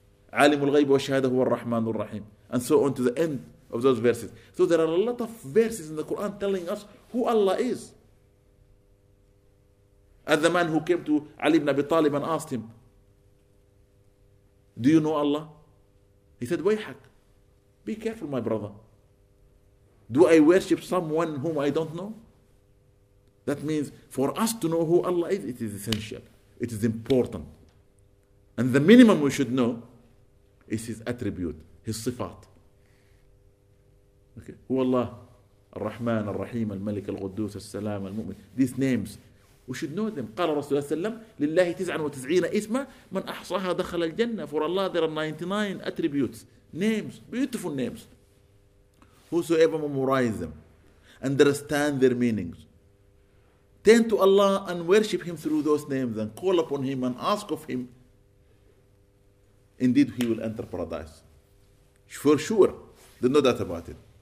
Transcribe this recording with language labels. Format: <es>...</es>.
<ar>عالم الغيب والشهادة هو الرحمن الرحيم.</ar> <en>And so on to the end of those verses. So there are a lot of verses in the Quran telling us who Allah is. As the man who came to Ali ibn Abi Talib and asked him, do you know Allah? He said, ويحك. Be careful, my brother. Do I worship someone whom I don't know? That means for us to know who Allah is, it is essential. It is important. And the minimum we should know is His attribute, His sifat. Okay. Who Allah? Ar-Rahman, Ar-Rahim, Al-Malik, Al-Quddus, Al-Salam, Al-Mu'min. These names, we should know them.</en> <ar>قال رسول الله صلى الله عليه وسلم لله 99 اسما من أحصاها دخل الجنة.</ar> <en>For Allah there are 99 attributes. Names, beautiful names. Whosoever memorizes them, understand their meanings, turn to Allah and worship Him through those names and call upon Him and ask of Him, indeed He will enter paradise. For sure. There's no doubt about it.</en>